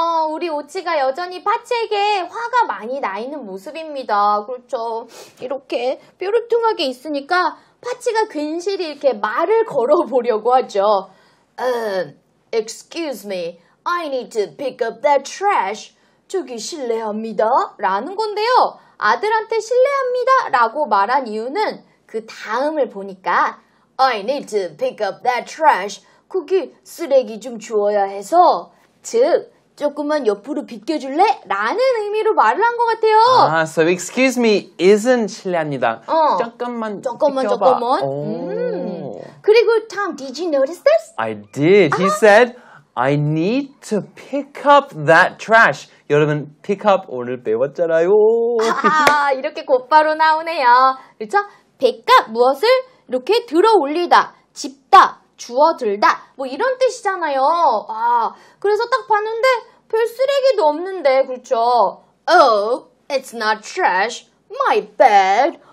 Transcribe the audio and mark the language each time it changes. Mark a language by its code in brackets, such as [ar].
[ko] 우리 오치가 여전히 파츠에게 화가 많이 나 있는 모습입니다. 그렇죠. 이렇게 뾰루퉁하게 있으니까 파츠가 괜시리 이렇게 말을 걸어보려고 하죠. [en] Excuse me, I need to pick up that trash. [ko] 저기 실례합니다. 라는 건데요. 아들한테 실례합니다. 라고 말한 이유는 그 다음을 보니까 [en] I need to pick up that trash. [ko] 거기 쓰레기 좀 주워야 해서 즉 조금만 옆으로 비껴줄래? 라는 의미로 말을 한 것 같아요. [en] 아, so excuse me isn't [ko] 실례합니다. 조금만 비껴봐. 그리고 [en] Tom, did you notice this? I did. He said, I need to pick up that trash. [ko] 여러분, pick up 오늘 배웠잖아요. 이렇게 곧바로 나오네요. 그렇죠? pick up 무엇을 이렇게 들어 올리다, 집다. 주워들다 뭐 이런 뜻이잖아요. 아, 그래서 딱 봤는데 별 쓰레기도 없는데 그렇죠. [en] Oh, it's not trash. My bad.